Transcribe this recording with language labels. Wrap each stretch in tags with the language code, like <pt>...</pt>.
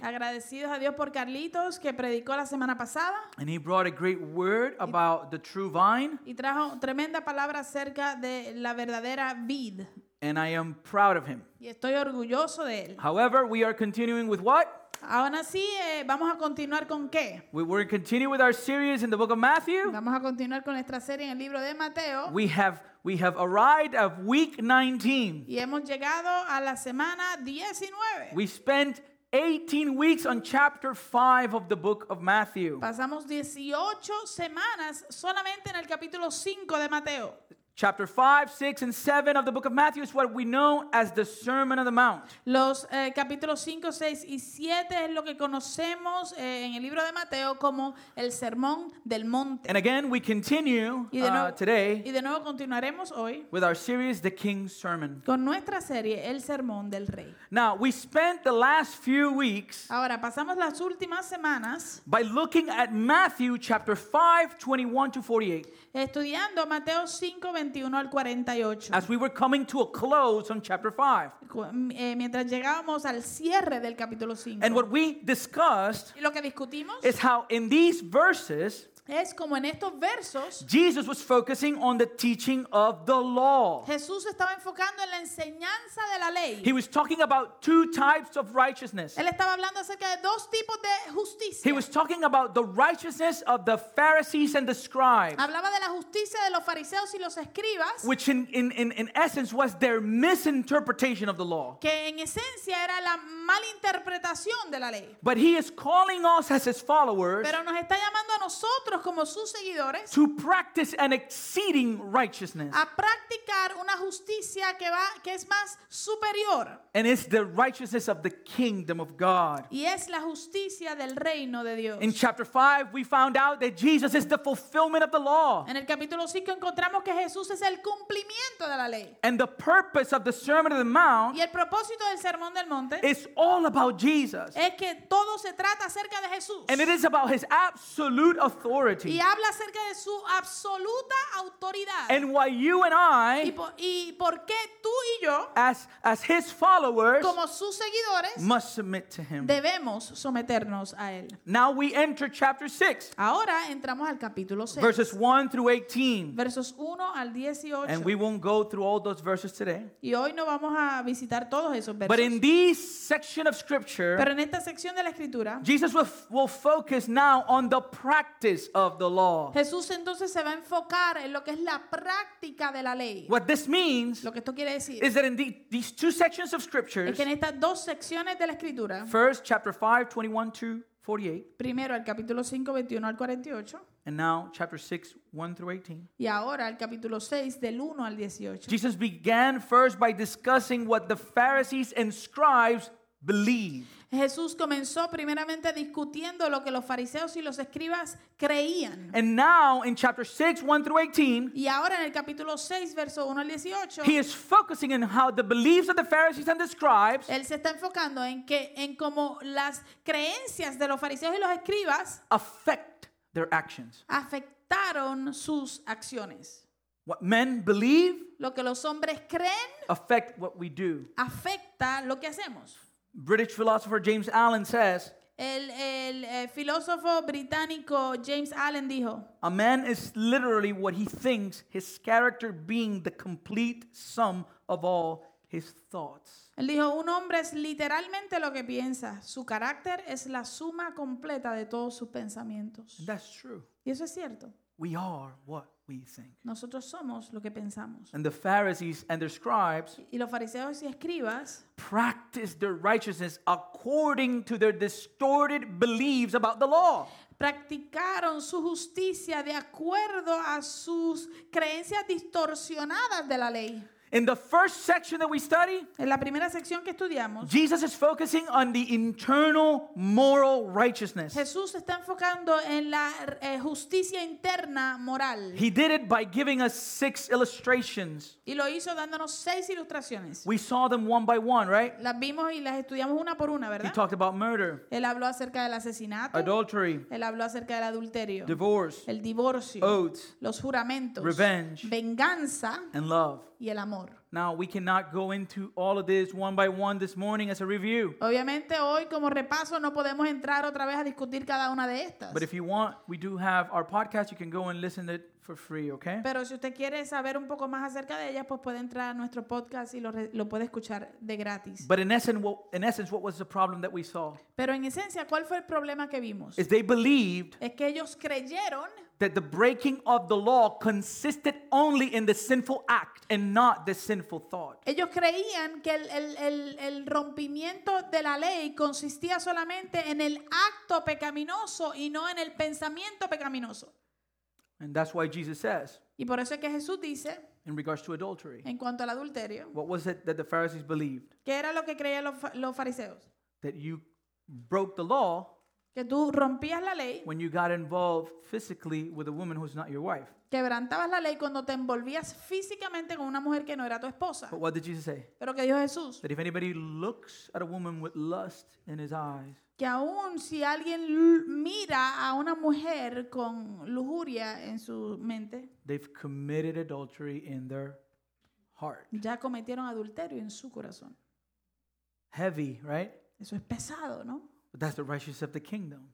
<es>Agradecidos a Dios por Carlitos que predicó la semana pasada.</es> <en>And he brought a great word about the true vine.</en> <es>Y trajo tremenda palabra acerca de la verdadera vid.</es> <en>And I am proud of him.</en> <es>Y estoy orgulloso de él.</es> <en>However, we are continuing with what?</en> <es>Aún así, vamos a continuar con qué.</es> <en>We will continue with our series in the book of Matthew.</en> <es>Vamos a continuar con nuestra serie en el libro de Mateo.</es> <en>We have arrived at week 19.</en> <es>Y hemos llegado a la semana 19.</es> <en>We spent 18 weeks on chapter 5 of the book of Matthew.</en> <es>Pasamos 18 semanas solamente en el capítulo 5 de Mateo.</es> <en>Chapter 5, 6, and 7 of the book of Matthew is what we know as the Sermon on the Mount.</en> <es>Los capítulos 5, 6, y 7 es lo que conocemos en el libro de Mateo como el Sermón del Monte.</es> <en>And again, we continue today</en> <es>y de nuevo continuaremos hoy</es> <en>with our series, The King's Sermon.</en> <es>Con nuestra serie, El Sermón del Rey.</es> <en>Now, we spent the last few weeks</en> <es>ahora, pasamos las últimas semanas</es> <en>by looking at Matthew chapter 5, 21 to 48.</en> <es>Estudiando Mateo 5, 21 al 48.</es> <en>As we were coming to a close on chapter 5.</en> <es>Mientras llegábamos al cierre del capítulo 5.</es> <en>And what we discussed</en> <es>y lo que discutimos</es> <en>is how in these verses</en> <es>es como en estos versos</es> <en>Jesus was focusing on the teaching of the law.</en> <es>Jesús estaba enfocando en la enseñanza de la ley.</es> <en>He was talking about two types of righteousness.</en> <es>Él estaba hablando acerca de dos tipos de justicia.</es> <en>He was talking about the righteousness of the Pharisees and the scribes.</en> <es>Hablaba de la justicia de los fariseos y los escribas.</es> <en>Which in essence was their misinterpretation of the law.</en> <es>Que en esencia era la malinterpretación de la ley.</es> <en>But he is calling us as his followers.</en> <es>Pero nos está llamando a nosotros como sus seguidores,</es> <en>to practice an exceeding righteousness.</en> <es>A practicar una justicia que es más superior.</es> <en>And it's the righteousness of the kingdom of God.</en> <es>Y es la justicia del reino de Dios.</es> <en>In chapter 5, we found out that Jesus is the fulfillment of the law.</en> <es>En el capítulo 5 encontramos que Jesús es el cumplimiento de la ley.</es> <en>And the purpose of the Sermon on the Mount</en> <es>y el propósito del Sermón del Monte</es> <en>is all about Jesus.</en> <es>Es que todo se trata acerca de Jesús.</es> <en>And it is about his absolute authority.</en> <es>Y habla acerca de su absoluta autoridad.</es> <en>And why you and I,</en> <es>y por qué tú y yo,</es> <en>as his followers,</en> <es>como sus seguidores,</es> <en>must submit to him.</en> <es>Debemos someternos a él.</es> <en>Now we enter chapter 6.</en> <es>Ahora entramos al capítulo 6.</es> <en>Verses 1 through 18.</en> <es>Versos 1 al 18.</es> <en>And we won't go through all those verses today.</en> <es>Y hoy no vamos a visitar todos esos versos.</es> <en>But in this section of scripture,</en> <es>pero en esta sección de la escritura,</es> <en>Jesus will focus now on the practice of the law.</en> <es>Jesús entonces se va a enfocar en lo que es la práctica de la ley.</es> <en>What this means,</en> <es>lo que esto quiere decir,</es> <en>is that in these two sections of scriptures.</en> <es>Es que en estas dos secciones de la escritura.</es> <en>First, chapter 5, 21 to 48.</en> <es>Primero el capítulo 5, 21 al 48.</es> <en>And now chapter 6, 1 through 18.</en> <es>Y ahora el capítulo 6 del 1 al 18.</es> <en>Jesus began first by discussing what the Pharisees and scribes believed.</en> <es>Jesús comenzó primeramente discutiendo lo que los fariseos y los escribas creían.</es> <en>And now in chapter 6, 1 through 18,</en> <es>y ahora en el capítulo 6, verso 1 al 18,</es> <en>he is focusing on how the beliefs of the Pharisees and the scribes,</en> <es>él se está enfocando en cómo las creencias de los fariseos y los escribas</es> <en>affect their actions.</en> <es>Afectaron sus acciones.</es> <en>What men believe,</en> <es>lo que los hombres creen,</es> <en>affect what we do.</en> <es>Afecta lo que hacemos.</es> <en>British philosopher James Allen says,</en> <es>filósofo británico James Allen dijo,</es> <en>a man is literally what he thinks, his character being the complete sum of all his thoughts.</en> <es>Él dijo, un hombre es literalmente lo que piensa, su carácter es la suma completa de todos sus pensamientos.</es> <en>And that's true.</en> <es>Y eso es cierto.</es> <en>We are what we think.</en> <es>Nosotros somos lo que pensamos.</es> <en>And the Pharisees and their scribes,</en> <es>y los fariseos y escribas,</es> <en>practice their righteousness according to their distorted beliefs about the law.</en> <es>Practicaron su justicia de acuerdo a sus creencias distorsionadas de la ley.</es> <en>In the first section that we study,</en> <es>en la primera sección que estudiamos,</es> <en>Jesus is focusing on the internal moral righteousness.</en> <es>Jesús está enfocando en la justicia interna moral.</es> <en>He did it by giving us 6 illustrations.</en> <es>Y lo hizo dándonos 6 ilustraciones.</es> <en>We saw them one by one, right?</en> <es>Las vimos y las estudiamos una por una, ¿verdad?</es> <en>He talked about murder.</en> <es>Él habló acerca del asesinato.</es> <en>Adultery.</en> <es>Él habló acerca del adulterio.</es> <en>Divorce.</en> <es>El divorcio.</es> <en>Oaths.</en> <es>Los juramentos.</es> <en>Revenge.</en> <es>Venganza.</es> <en>And love.</en> <es>Y el amor.</es> <en>Now we cannot go into all of this one by one this morning as a review.</en> <es>Obviamente hoy como repaso no podemos entrar otra vez a discutir cada una de estas.</es> <en>But if you want, we do have our podcast. You can go and listen to it for free, okay?</en> <es>Pero si usted quiere saber un poco más acerca de ellas, pues puede entrar a nuestro podcast y lo puede escuchar de gratis.</es> <en>But in essence, what was the problem that we saw?</en> <es>Pero en esencia, ¿cuál fue el problema que vimos?</es> <en>Is they believed.</en> <es>Es que ellos creyeron.</es> <en>That the breaking of the law consisted only in the sinful act and not the sinful thought.</en> <es>Ellos creían que el rompimiento de la ley consistía solamente en el acto pecaminoso y no en el pensamiento pecaminoso.</es> <en>And that's why Jesus says.</en> <es>Y por eso es que Jesús dice.</es> <en>In regards to adultery.</en> <es>En cuanto al adulterio.</es> <en>What was it that the Pharisees believed?</en> <es>¿Qué era lo que creían los fariseos?</es> <en>That you broke the law.</en> <es>Que tú rompías la ley.</es> <en>When you got involved physically with a woman who's not your wife.</en> <es>Quebrantabas la ley cuando te envolvías físicamente con una mujer que no era tu esposa.</es> <en>But what did Jesus say?</en> <es>Pero qué dijo Jesús.</es> <en>That if anybody looks at a woman with lust in his eyes.</en> <es>Que aun si alguien mira a una mujer con lujuria en su mente.</es> <en>They've committed adultery in their heart.</en> <es>Ya cometieron adulterio en su corazón.</es> <en>Heavy, right?</en> <es>Eso es pesado, ¿no?</es> <en>But that's the righteousness of the kingdom.</en>